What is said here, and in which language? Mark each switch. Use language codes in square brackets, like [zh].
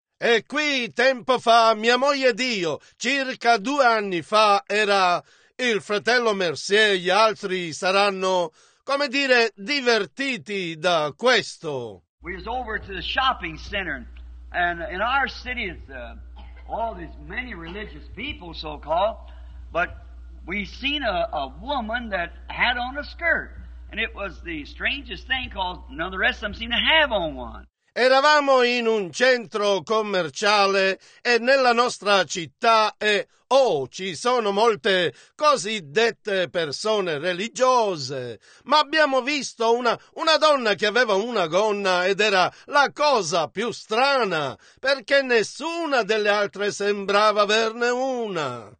[it] E qui, tempo fa, mia moglie ed io, circa 2 anni fa, era... Il fratello Mercier e gli altri saranno, come dire, divertiti da questo. [en] We was over to the shopping center, and in our city it's all these many religious people, so-called, but we seen a woman that had on a skirt, and it was the strangest thing, because none of the rest of them seemed to have on one. [it] Eravamo in un centro commerciale e nella nostra città ci sono molte cosiddette persone religiose, ma abbiamo visto una donna che aveva una gonna ed era la cosa più strana, perché nessuna delle altre sembrava averne una.